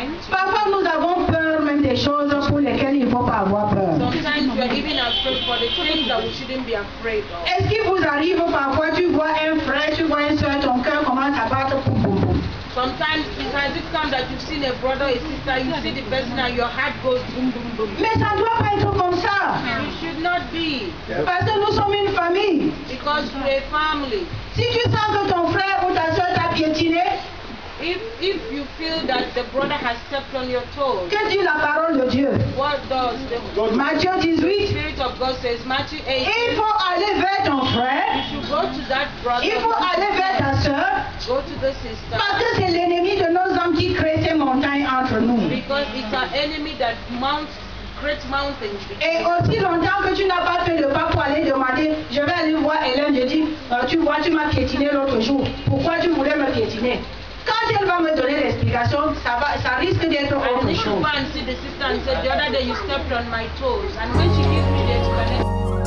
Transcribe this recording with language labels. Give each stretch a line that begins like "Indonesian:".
French: Parfois nous avons peur même des choses pour lesquelles il ne faut pas avoir peur. Est-ce qu'il vous arrive parfois, tu vois un frère, tu vois une soeur, ton cœur commence à battre pour vous?
English: Sometimes it has it come that you've seen a brother, a sister, you see the person and your heart goes boom, boom, boom.
French: Mais ça ne doit pas être comme ça.
English: It should not be.
French: Yep. Parce que nous sommes une famille.
English: Because we're a family.
French: Si tu sens que ton frère ou ta soeur t'a piétiné,
English: if you feel that the brother has stepped on your toes,
French: que dit la parole de Dieu?
English: What does
French: Matthieu 18?
English: The Spirit of God says, Matthew 8.
French: Il faut aller vers ton frère.
English: You should go to that brother.
French: Il faut aller vers ta soeur.
English: Go to the sister.
French: Parce que c'est l'ennemi de nos âmes qui crée ces montagnes entre nous.
English: Because it's our enemy that mounts great mountains.
French: Et aussi longtemps que tu n'as pas fait le pas pour aller demander, je vais aller voir Hélène, je dis, tu vois, tu m'as piétiné l'autre jour. Pourquoi tu voulais me piétiner? Quand elle va me donner l'explication, ça risque d'être autre chose.
English: And the other day you stepped on my toes. And when she gives me the explanation.